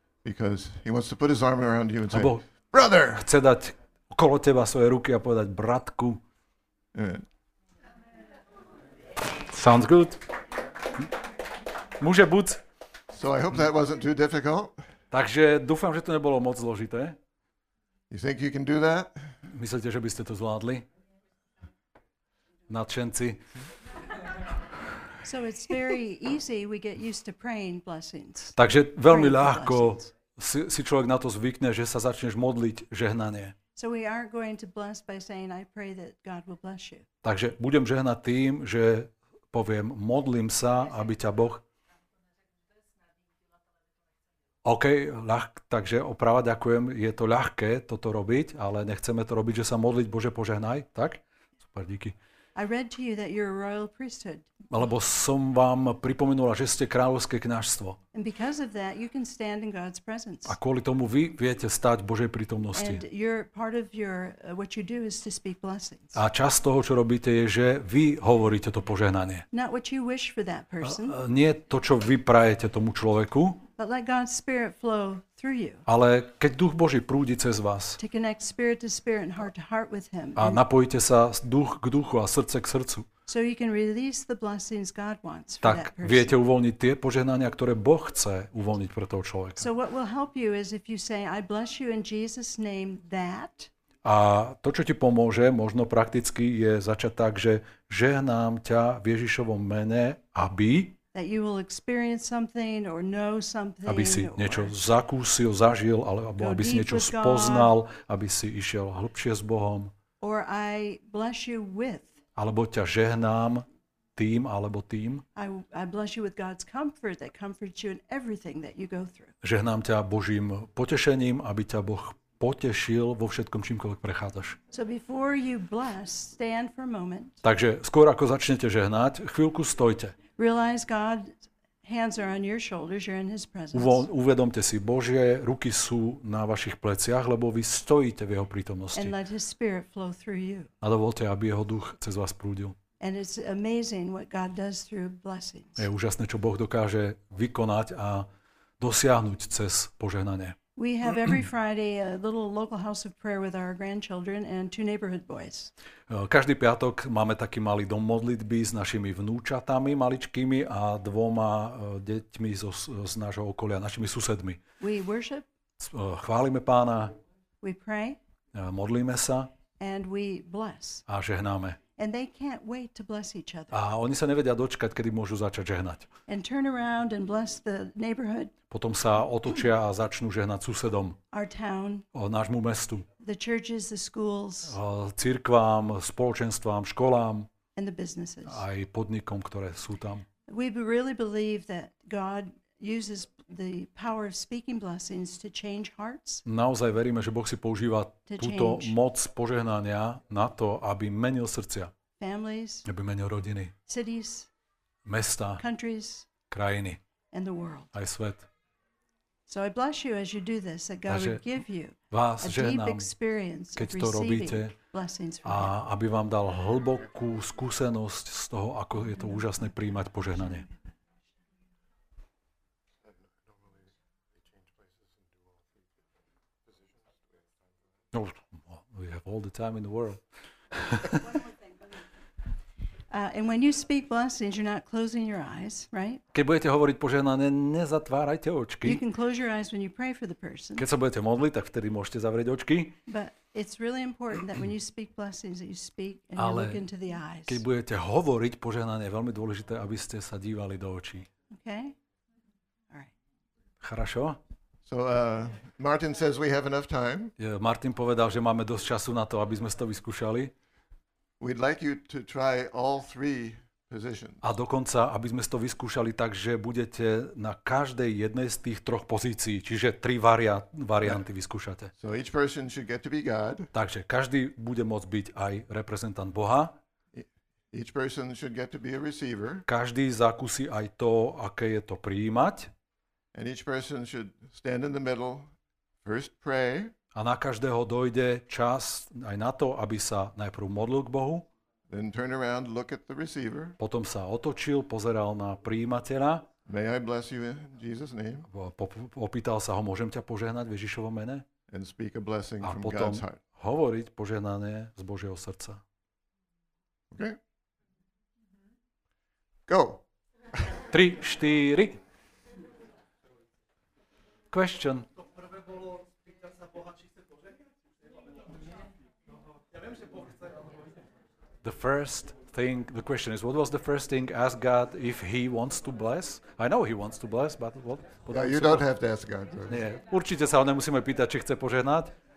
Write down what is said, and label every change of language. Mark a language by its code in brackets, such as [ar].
[en] Because he wants to put his arm around you and say, brother, [sk] chce dať okolo teba svoje ruky a povedať bratku. Amen. [en] Sounds good. [sk] Môže buď. [en] So I hope that wasn't too difficult. [sk] Takže dúfam, že to nebolo moc zložité. [en] You think you can do that? [sk] Myslíte, že by ste to zvládli? Nadšenci. [en] So it's very easy we get used to praying blessings. [sk] Takže veľmi ľahko si človek na to zvykne, že sa začneš modliť žehnanie. [en] So we aren't going to bless by saying I pray that God will bless you. [sk] Takže budem žehnať tým, že poviem modlím sa, aby ťa Boh. OK, takže opravo ďakujem, je to ľahké toto robiť, ale nechceme to robiť, že sa modliť Bože požehnaj, tak? Super, díky. [en] I read to you that you're a royal priesthood. [sk] Lebo som vám pripomenula, že ste kráľovské kňazstvo. [en] And because of that, you can stand in God's presence. [sk] A kvôli tomu vy viete stať v Božej prítomnosti. [en] And you're part of your what you do is to speak blessings. [sk] A časť toho, čo robíte, je, že vy hovoríte to požehnanie. [en] Not what you wish for that person. [sk] Nie to, čo vy prajete tomu človeku. [en] But let God's spirit flow through you. [sk] Ale keď Duch Boží prúdi cez vás. [en] To connect spirit to spirit and heart to heart with him. [sk] A napojte sa duch k duchu a srdce k srdcu. [en] So you can release the blessings God wants for [sk] tak [en] that person. [sk] Viete uvoľniť tie požehnania, ktoré Boh chce uvoľniť pre toho človeka. [en] So what will help you is if you say I bless you in Jesus name that. [sk] A to, čo ti pomôže, možno prakticky je začať tak, že žehnám ťa v Ježišovom mene, aby [en] that you will experience something or know something, [sk] aby si niečo zakúsil, zažil, alebo aby si niečo spoznal, aby si išiel hlbšie s Bohom. [en] Or I bless you with. [sk] Alebo ťa žehnám tým alebo tým. [en] I bless you with God's comfort that comforts you in everything that you go through. [sk] Žehnám ťa Božím potešením, aby ťa Boh potešil vo všetkom, čímkoľvek prechádzaš. [en] So before you bless, stand for a moment. [sk] Takže skôr ako začnete žehnať, chvíľku stojte. [en] Realize God's hands are on your shoulders, you're in his presence. [sk] Uvedomte si, Božie ruky sú na vašich pleciach, lebo vy stojíte v jeho prítomnosti. [en] And let his spirit flow through you. [sk] A dovolte, aby jeho duch cez vás prúdil. [en] And it's amazing what God does through blessings. [sk] Je úžasné, čo Boh dokáže vykonať a dosiahnuť cez požehnanie. [en] We have every Friday a little local house of prayer with our grandchildren and two neighborhood boys. [sk] Každý piatok máme taký malý dom modlitby s našimi vnúčatami maličkými a dvoma deťmi z nášho okolia, našimi susedmi. [en] We worship. [sk] Chválime Pána. [en] We pray. [sk] Modlíme sa. [en] And we bless. [sk] A žehnáme. [en] And they can't wait to bless each other. [sk] A oni sa nevedia dočkať, kedy môžu začať žehnať. [en] And turn around and bless the neighborhood. [sk] Potom sa otočia a začnú žehnať susedom. [en] Our town. [sk] O nášmu mestu. [en] The churches, the schools. [sk] Cirkvám, spoločenstvám, školám. [en] And the businesses. [sk] Aj podnikom, ktoré sú tam. [en] We really believe that God uses the power of speaking blessings to change hearts. [sk] Naozaj veríme, že Boh si používa túto moc požehnania na to, aby menil srdcia. [en] families, [sk] vymenil rodiny, [en] cities, [sk] mesta, [en] countries, [sk] krajiny, [en] and the world, [sk] aj svet. [en] So I bless you as you do this, that God would give you a deep experience of receiving robíte, blessings from [sk] him. A aby vám dal hlbokú skúsenosť z toho, ako je to úžasné prijímať požehnanie. [en] No, we have all the time in the world. And when you speak blessings, you're not closing your eyes, right? [sk] Keď budete hovoriť požehnané, nezatvárajte očky. [en] You can close your eyes when you pray for the person. [sk] Keď sa budete modliť, tak vtedy môžete zavrieť očky. [en] But it's really important that when you speak blessings, that you speak and you look into the eyes. [sk] Keď budete hovoriť požehnané, je veľmi dôležité, aby ste sa dívali do očí. [en] Okay? All right. [ru] Chorašo? [en] So Martin says we have enough time. [sk] Yeah, Martin povedal, že máme dosť času na to, aby sme to vyskúšali. [en] We'd like you to try all three positions. [sk] A dokonca, aby sme to vyskúšali tak, že budete na každej jednej z tých troch pozícií, čiže tri varianty vyskúšate. [en] So each person should get to be God. [sk] Takže každý bude môcť byť aj reprezentant Boha. [en] Each person should get to be a receiver. [sk] Každý zakúsi aj to, aké je to prijímať. [en] And each person should stand in the middle, first pray. [sk] A na každého dojde čas aj na to, aby sa najprv modlil k Bohu. [en] Then turn around, look at the receiver. [sk] Potom sa otočil, pozeral na prijímateľa. [en] May I bless you in Jesus' name? [sk] Opýtal sa ho, môžem ťa požehnať v Ježišovom mene? [en] And speak a blessing a from God's heart. [sk] Potom hovoriť požehnanie z Božieho srdca. [en] Okay. Go. 3, 4. Question. [sk] To prvé bolo spýtať sa Boha, či chce požehnať. Ja viem, že Boh chce, [en] ale... The first thing, the question is, what was the first thing? Ask God if he wants to bless. I know he wants to bless, but what... Yeah, you don't have to ask God. [sk] Nie, určite sa ho nemusíme pýtať, či chce požehnať.